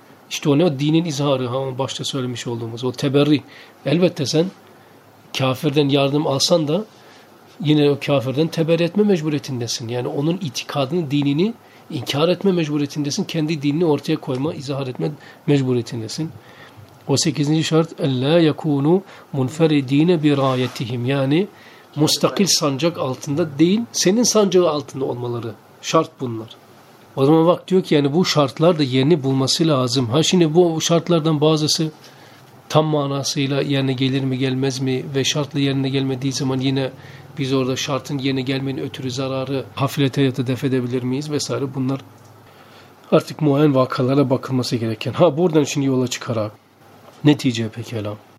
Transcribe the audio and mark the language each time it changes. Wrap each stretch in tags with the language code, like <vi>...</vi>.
<tr>İşte o ne? O dinin izharı. Ha, başta söylemiş olduğumuz o teberri. Elbette sen kafirden yardım alsan da yine o kafirden teberri etme mecburiyetindesin. Yani onun itikadını, dinini inkar etme mecburiyetindesin. Kendi dinini ortaya koyma, izhar etme mecburiyetindesin. O 8. şart</tr> <ar>اَلَّا يَكُونُوا مُنْفَرِد۪ينَ بِرَايَتِهِمْ.</ar> <tr>Yani müstakil sancak altında değil, senin sancağı altında olmaları. Şart bunlar. O zaman bak diyor ki yani bu şartlar da yerini bulması lazım. Ha şimdi bu şartlardan bazısı tam manasıyla yerine gelir mi gelmez mi ve şartla yerine gelmediği zaman yine biz orada şartın yerine gelmenin ötürü zararı hafilete ya da def edebilir miyiz vesaire bunlar artık muayen vakalara bakılması gereken. Ha buradan şimdi yola çıkarak netice pekala.</tr>